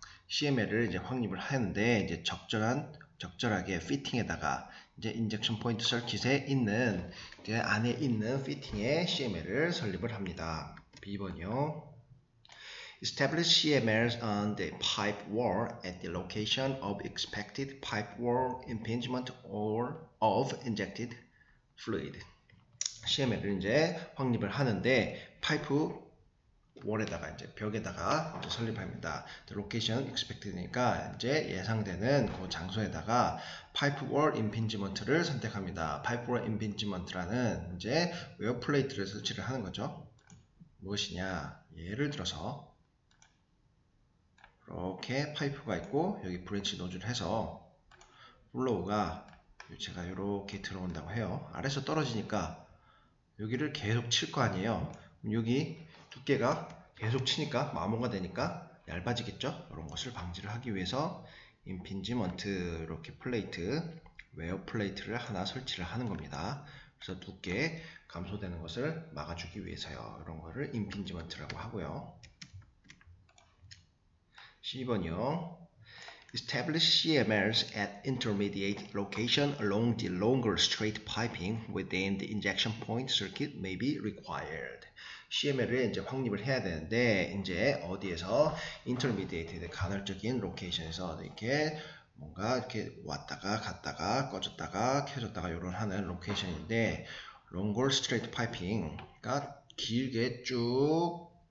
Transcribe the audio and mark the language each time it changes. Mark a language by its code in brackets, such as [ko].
[ko] CML을 이제 확립을 하는데 이제 적절하게 피팅에다가 이제 [en] injection point circuit [ko] 에 있는 이제 안에 있는 피팅에 CML을 설립을 합니다. B번이요. [en] Establish CMLs on the pipe wall at the location of expected pipe wall impingement or of injected fluid. [ko] CML을 이제 확립을 하는데, 파이프 월에다가 이제 벽에다가 이제 설립합니다. [en] The location expected [ko] 니까 이제 예상되는 그 장소에다가 [en] pipe wall impingement [ko] 를 선택합니다. [en] pipe wall impingement [ko] 라는 이제 웨어 플레이트를 설치를 하는 거죠. 무엇이냐? 예를 들어서 이렇게 파이프가 있고 여기 브랜치 노즐을 해서 블로우가 제가 이렇게 들어온다고 해요. 아래서 떨어지니까 여기를 계속 칠거 아니에요. 여기 두께가 계속 치니까 마모가 되니까 얇아지겠죠? 이런 것을 방지를 하기 위해서 임핀지먼트 이렇게 플레이트 웨어 플레이트를 하나 설치를 하는 겁니다. 그래서 두께 감소되는 것을 막아주기 위해서요. 이런 거를 임핀지먼트라고 하고요. C번이요. [en] Establish CMLs at intermediate location along the longer straight piping within the injection point circuit may be required. [ko] CML을 이제 확립을 해야 되는데, 이제 어디에서 intermediate, 간헐적인 location에서 이렇게 뭔가 이렇게 왔다가 갔다가 꺼졌다가 켜졌다가 이런 하는 location인데, [en] longer straight piping [ko] 가 길게 쭉